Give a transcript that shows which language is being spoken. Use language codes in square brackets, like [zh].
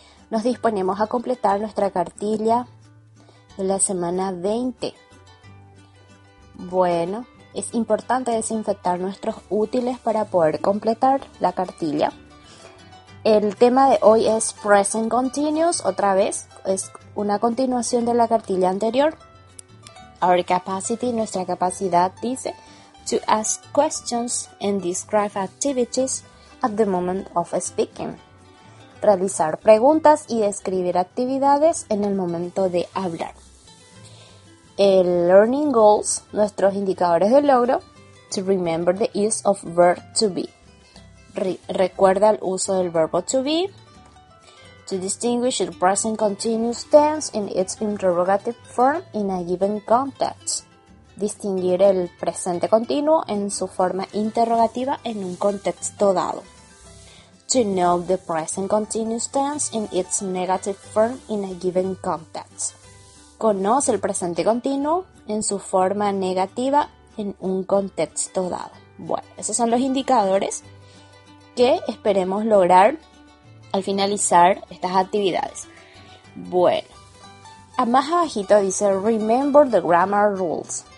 [es] Nos disponemos a completar nuestra cartilla de la semana 20. Bueno, es importante desinfectar nuestros útiles para poder completar la cartilla. El tema de hoy es Present Continuous, otra vez, es una continuación de la cartilla anterior. [en] Our capacity, [es] nuestra capacidad, dice, [en] to ask questions and describe activities at the moment of speaking. [es] Realizar preguntas y describir actividades en el momento de hablar. [en] El Learning Goals, [es] nuestros indicadores de logro, [en] to remember the use of verb to be. [es] Recuerda el uso del verbo to be. [en] To distinguish the present continuous tense in its interrogative form in a given context. [es] Distinguir el presente continuo en su forma interrogativa en un contexto dado. [en] To know the present continuous tense in its negative form in a given context. [es] Conoce el presente continuo en su forma negativa en un contexto dado. Bueno, esos son los indicadores que esperemos lograr al finalizar estas actividades. Bueno, más abajito dice [en] Remember the grammar rules.